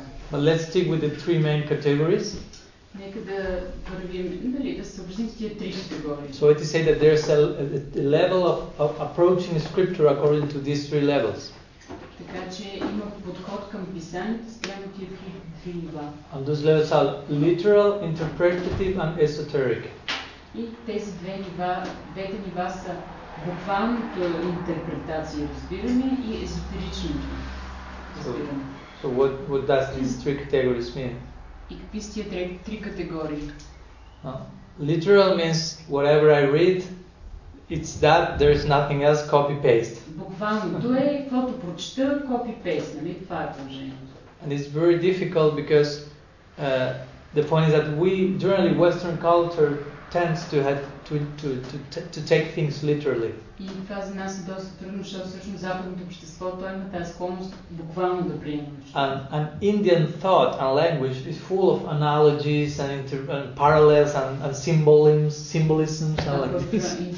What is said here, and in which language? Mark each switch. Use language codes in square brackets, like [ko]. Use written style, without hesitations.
[en] But let's stick with the three main categories. So it is said that there is a level of approaching scripture according to these three levels. [bg] Така че има подход към писанието спрямо тия три нива. [en] And those levels are literal, interpretative and esoteric. [bg] И тези двете нива са буквалното интерпретация, разбираме, и езотеричното. [en] So what does these three categories mean? [bg] И какви са тия три категории? [en] Literal means whatever I read, it's that, there is nothing else, copy paste. [bg] Буквалното е каквото прочета, [en] copy paste, [bg] нали? Това е положението. [en] And it's very difficult because The point is that we, generally Western culture, tends to have to take things literally. [bg] И това за нас е доста трудно, защото всъщност западното общество то има тази склонност буквално да приема. [en] And Indian thought and language is full of analogies and, and parallels and symbolisms and like this.